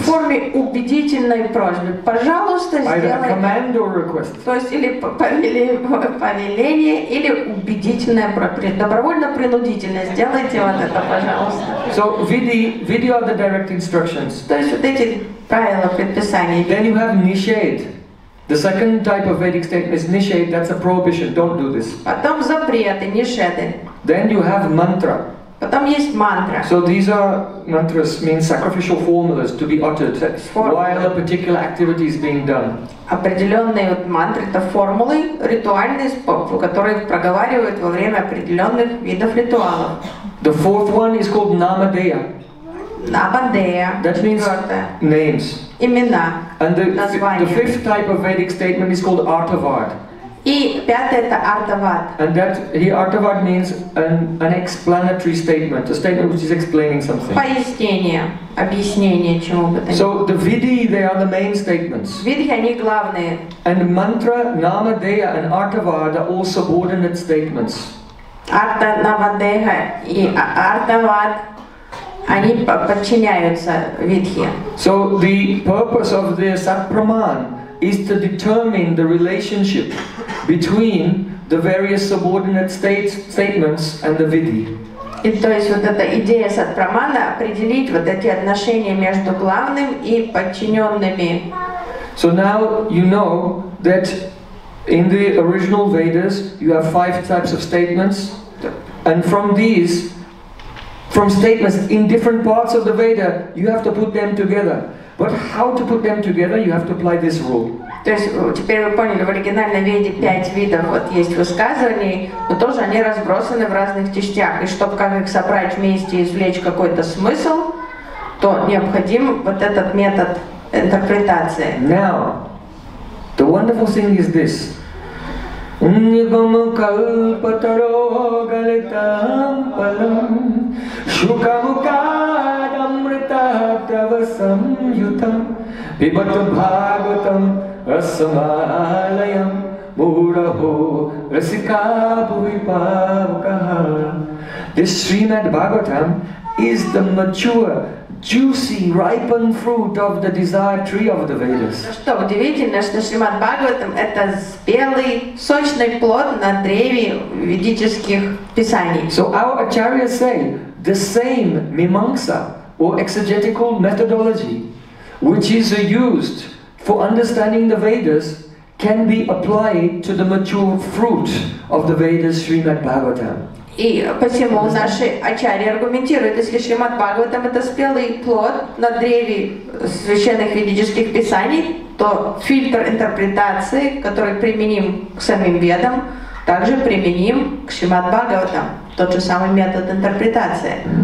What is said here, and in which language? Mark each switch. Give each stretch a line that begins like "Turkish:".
Russian: В форме убедительной просьбы, пожалуйста, сделай.
English: Either a command or a request.
Russian: То есть или повеление, или убедительное, добровольно-принудительное. Сделайте вот это, пожалуйста.
English: So vidhi are the direct instructions.
Russian: То есть вот эти правила предписания.
English: Then you have nishedh. The second type of Vedic statement is nishedh. That's a prohibition. Don't do this.
Russian: Потом запреты, нишеды.
English: Then you have mantra.
Russian: Потом есть мантра.
English: So these are mantras mean sacrificial formulas to be uttered while a particular activity is being done.
Russian: Определенные вот мантры — это формулы ритуальные, которые проговаривают во время определенных видов ритуалов.
English: The fourth one is called Namadeya. Namadeya. That means names.
Russian: Имена.
English: And the fifth type of Vedic statement is called Artavard.
Russian: И пятое — это Artavard.
English: And that he Artavard means an explanatory statement, a statement which is explaining something.
Russian: Пояснение, объяснение чему бы то ни.
English: So the Vidhi, they are the main statements.
Russian: Vidhi, они главные.
English: And mantra, Namadeya and Artavard are all subordinate statements.
Russian: Арта, Намадея и Артавад, они подчиняются Видхи.
English: So the purpose of the Sat-Praman is to determine the relationship between the various subordinate statements and the Vidhi.
Russian: И то есть вот эта идея Сат-Прамана — определить вот эти отношения между главным и подчиненными.
English: So now you know that in the original Vedas you have five types of statements. And from these, from statements in different parts of the Veda, you have to put them together. But how to put them together, you have to apply this rule.
Russian: То есть теперь вы поняли, в оригинальной Веде пять видов вот есть высказываний, но тоже они разбросаны в разных частях. И чтобы как их собрать вместе и извлечь какой-то смысл, то необходим вот этот метод интерпретации.
English: Now, the wonderful thing is this.
Sanskrit: Нигам калпатаро галитам палам Шукамукадамрита правасам ютам Пибат бхагатам асамалаям Мураху расикабу випавкаха.
English: This Srimad Bhagavatam is the mature, juicy, ripened fruit of the desired tree of the Vedas.
Russian: Что удивительно, что Шримад Бхагаватам — это спелый, сочный плод на древе ведических писаний.
English: So our acharyas say the same mimamsa or exegetical methodology which is used for understanding the Vedas can be applied to the mature fruit of the Vedas, Srimad Bhagavatam.
Russian: И почему наши ачарьи аргументируют, если Шримад Бхагаватам — это спелый плод на древе священных ведических писаний, то фильтр интерпретации, который применим к самим ведам, также применим к Шримад Бхагаватам, тот же самый метод интерпретации.